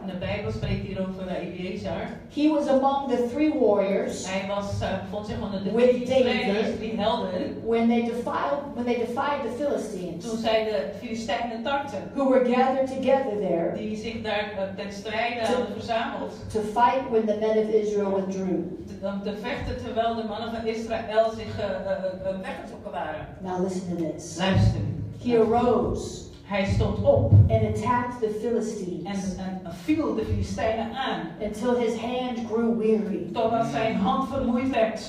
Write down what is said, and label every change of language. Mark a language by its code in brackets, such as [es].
[nl] En de Bijbel spreekt hier over Eleazar. [en] He was among the three warriors. [nl] Hij was van zich onder de drie strijders, die helden. [en] When they defied the Philistines. [nl] Toen zij de Filistijnen tarten. [en] Who were gathered together there. [nl] Die zich daar ten strijde hadden verzameld. [en] To fight when the men of Israel withdrew. [nl] Te vechten terwijl de mannen van Israël zich weggetrokken waren. [en] Now listen to this. [nl] Luister. [en] He arose. [nl] Hij stond op. [en] And attacked the Philistines. [nl] En viel de Filistijnen aan. [en] Until his hand grew weary. [nl] Totdat zijn hand vermoeid werd.